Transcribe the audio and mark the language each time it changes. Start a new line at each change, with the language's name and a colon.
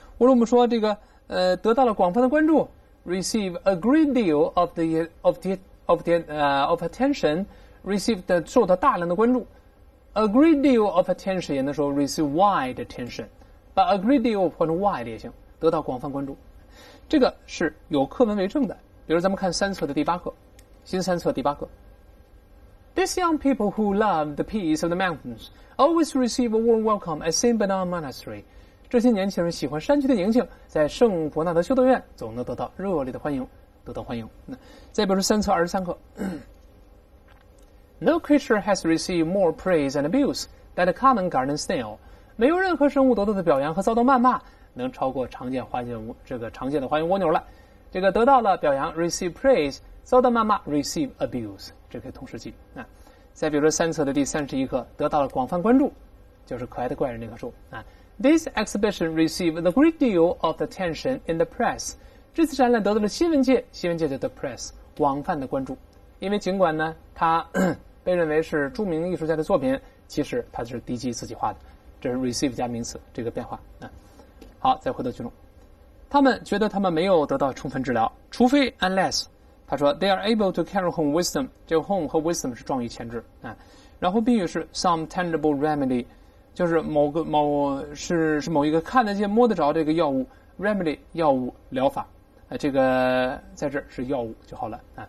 Chinese: 或者我们说这个得到了广泛的关注，
English: receive a great deal of attention，
Chinese: receive 的受到大量的关注。
English: A great deal of attention
Chinese: 也能说
English: receive wide attention， but a great deal
Chinese: 换成
English: wide
Chinese: 也行，得到广泛关注。
English: 这个是有课文为证的，比如咱们看三册的第八课，新三册第八课。 These young people who love the peace of the mountains always receive a warm welcome at St. Bernard Monastery。
Chinese: 这些年轻人喜欢山区的宁静，在圣伯纳德修道院总能得到热烈的欢迎，得到欢迎。再比如三册23课。
English: No creature has received more praise and abuse than the common garden snail.
Chinese: 没有任何生物得到的表扬和遭到谩骂能超过常见的花园蜗牛了。这个得到了表扬
English: receive praise，
Chinese: 遭到谩骂
English: receive abuse，
Chinese: 这可以同时记。再比如说三册的第31课，得到了广泛关注，就是可爱的怪人那棵树。
English: This exhibition received a great deal of attention in the press.
Chinese: 这次展览得到了新闻界叫
English: the press，
Chinese: 广泛的关注。因为尽管呢他被认为是著名艺术家的作品，其实他是低级自己画的，这是 receive 加名词这个变化。好，再回到剧中，他们觉得他们没有得到充分治疗，除非 unless， 他说
English: they are able to carry home wisdom，
Chinese: 这个 home 和 wisdom 是状语前置、然后宾语是
English: some tangible remedy，
Chinese: 就是某某一个看得见摸得着这个药物 remedy 药物疗法、这个在这是药物就好了。